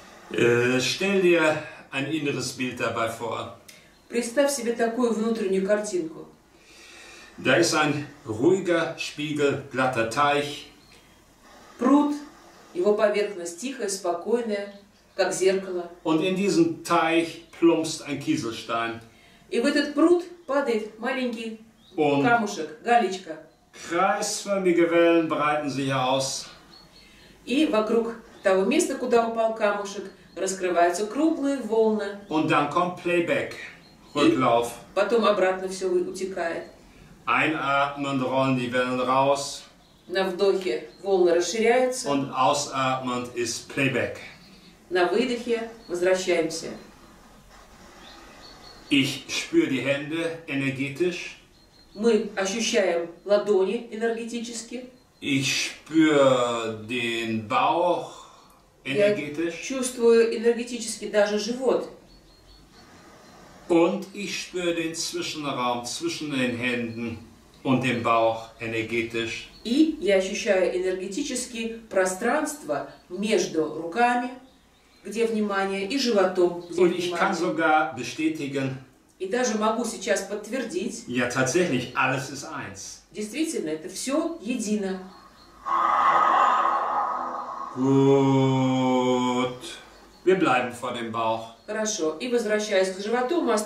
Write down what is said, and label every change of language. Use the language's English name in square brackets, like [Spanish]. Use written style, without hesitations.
[German] Stell dir ein inneres Bild dabei vor. [Russian] Представь себе такую внутреннюю картинку. [German] Da ist ein ruhiger, spiegelglatter Teich. [Russian] Пруд, его поверхность тихая, спокойная, как зеркало. [German] Und in diesen Teich plumpst ein Kieselstein. [Russian] И в этот пруд падает маленький камушек, галечка. [German] Kreisförmige Wellen breiten sich aus. [Russian] И вокруг того места, куда упал камушек, раскрываются круглые волны. [German] Und dann kommt Playback, Rücklauf. [Russian] И потом обратно все утекает. [German] Einatmen, rollen die Wellen raus. [Russian] На вдохе волны расширяются. [German] Und ausatmen ist Playback. [Russian] На выдохе возвращаемся. [German] Ich spüre die Hände energetisch. [Russian] Мы ощущаем ладони энергетически. [German] Ich spüre den Bauch energetisch. [Russian] Я чувствую энергетически даже живот. [German] Und ich spüre den Zwischenraum zwischen den Händen und dem Bauch energetisch. [Russian] И я ощущаю энергетически пространство между руками, где внимание, и животом, где внимание. [German] Und ich kann sogar bestätigen, [Russian] и даже могу сейчас подтвердить. [German] Ja, tatsächlich, alles ist eins. [Russian] Действительно, это все едино. [German] Gut. Wir bleiben vor dem Bauch. [Russian] Хорошо. И возвращаясь к животу, мы